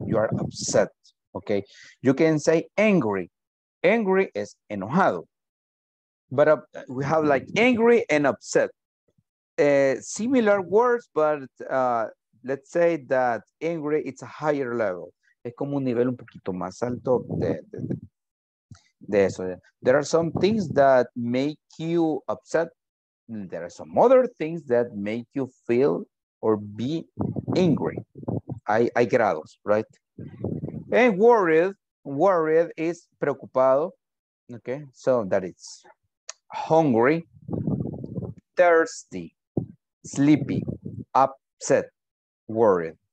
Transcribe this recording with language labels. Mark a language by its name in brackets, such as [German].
[English] You are upset, okay? You can say angry. [Spanish] Angry es enojado. [English] But we have like angry and upset. Similar words, but let's say that angry, it's a higher level. [Spanish] Es como un nivel un poquito más alto de eso. [English] There are some things that make you upset. There are some other things that make you feel or be angry. [Spanish] Hay grados, [English] right? And worried is preocupado. Okay, so that is hungry, thirsty, sleepy, upset, worried.